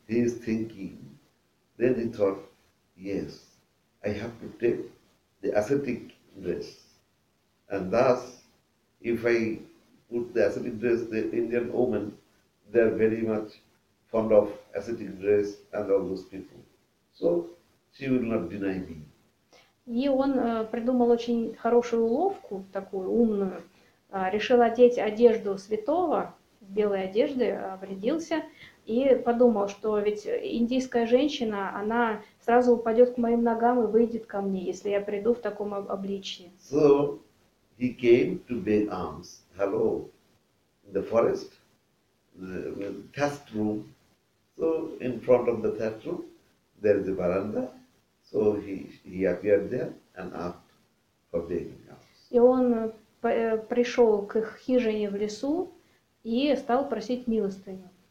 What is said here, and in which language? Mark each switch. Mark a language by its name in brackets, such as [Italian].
[English] He is thinking. Then he thought, yes, I have to take the ascetic dress. And thus, if I put the ascetic dress, the Indian women, they are very much fond of ascetic dress and all those people. So, she will not deny me. [Russian] И он придумал очень хорошую уловку, такую умную. Решил одеть одежду святого, в белой одежде, обрядился. И подумал, что ведь индийская женщина, она сразу упадет к моим ногам и выйдет ко мне, если я приду в таком обличье. [English] So, he came to beg alms. Hello, in the forest, the thatched room. So, in front of the thatched room, there is a veranda. So he appeared there and asked for begging alms. [Russian] И он пришел к их хижине в лесу и стал просить милостыню.